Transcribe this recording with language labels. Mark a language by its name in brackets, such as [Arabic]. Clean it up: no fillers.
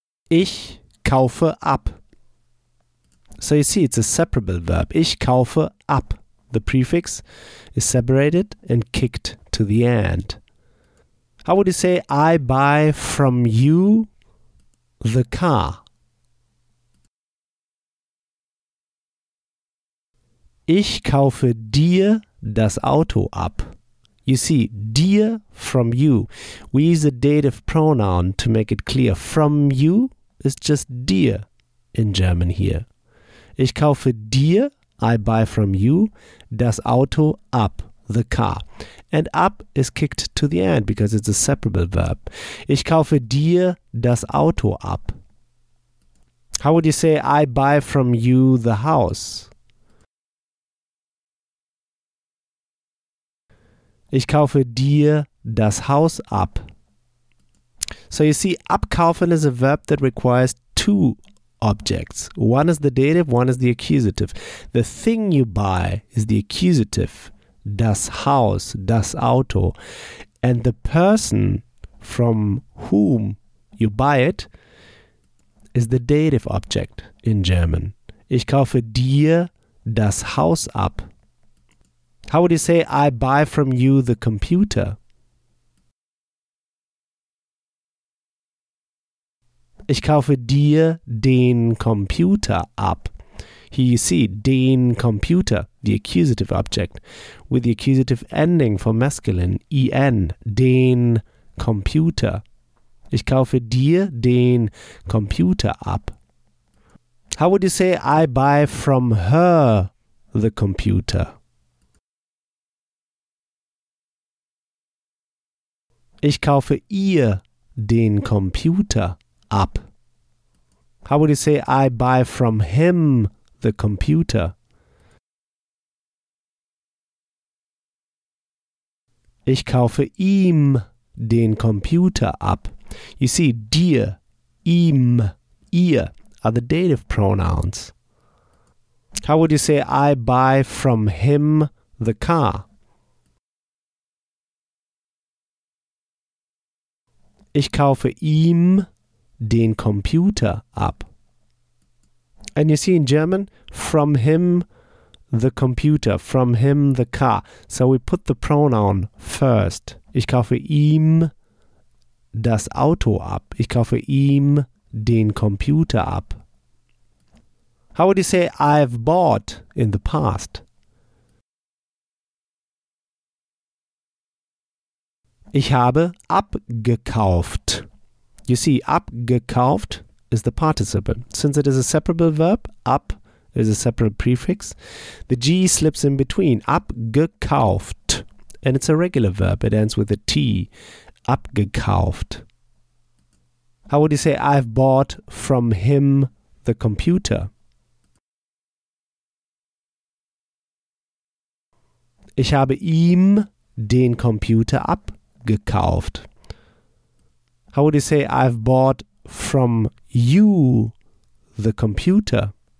[German] Ich kaufe ab. [English] So you see, it's a separable verb. [German] Ich kaufe ab. [English] The prefix is separated and kicked to the end. How would you say I buy from you the car? [German] Ich kaufe dir das Auto ab. [English] You see, dir from you. We use a dative pronoun to make it clear. From you is just dir in German here. [German] Ich kaufe dir, [English] I buy from you, [German] das Auto ab, [English] the car. And ab is kicked to the end because it's a separable verb. [German] Ich kaufe dir das Auto ab. [English] How would you say I buy from you the house? [German] Ich kaufe dir das Haus ab. [English] So you see, abkaufen is a verb that requires two objects. One is the dative, one is the accusative. The thing you buy is the accusative, das Haus, das Auto. And the person from whom you buy it is the dative object in German. [German] Ich kaufe dir das Haus ab. [English] How would you say, I buy from you the computer? [German] Ich kaufe dir den Computer ab. [English] Here you see, den Computer, the accusative object, with the accusative ending for masculine, en, den Computer. [German] Ich kaufe dir den Computer ab. [English] How would you say, I buy from her the computer? [German] Ich kaufe ihr den Computer ab. [English] How would you say I buy from him the computer? [German] Ich kaufe ihm den Computer ab. [English] You see, dir, ihm, ihr are the dative pronouns. How would you say I buy from him the car? [German] Ich kaufe ihm den Computer ab. [English] And you see in German, from him the computer, from him the car. So we put the pronoun first. [German] Ich kaufe ihm das Auto ab. Ich kaufe ihm den Computer ab. [English] How would you say I've bought in the past? [German] Ich habe abgekauft. [English] You see, abgekauft is the participle. Since it is a separable verb, ab is a separate prefix, the G slips in between. Abgekauft. And it's a regular verb. It ends with a T. Abgekauft. How would you say, I've bought from him the computer? [German] Ich habe ihm den Computer abgekauft. Gekauft. [English] How would you say I've bought from you the computer?